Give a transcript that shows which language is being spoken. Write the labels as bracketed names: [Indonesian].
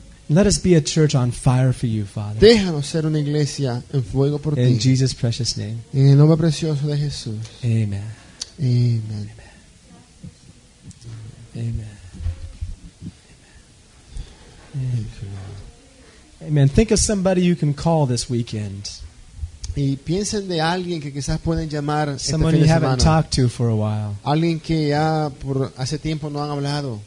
[English] Let us be a church on fire for you, Father. [Spanish] Déjanos ser una iglesia en fuego por ti. [English] In Jesus' precious name. [Spanish] En el nombre precioso de Jesús. [English] Amen. Amen. Amen. Amen. Amen. Amen. Think of somebody you can call this weekend. [Spanish] Y piensen de alguien que quizás pueden llamar este fin de semana. [English] Haven't talked to for a while. [Spanish] Alguien que ya por hace tiempo no han hablado.